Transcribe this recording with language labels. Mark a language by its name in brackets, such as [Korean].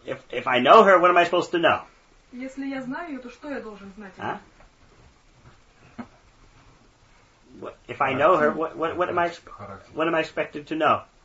[English] If I know her, what am I supposed to know? [Russian] Если я знаю ее, то что я должен знать? [English] if I know her, what am I expected to know?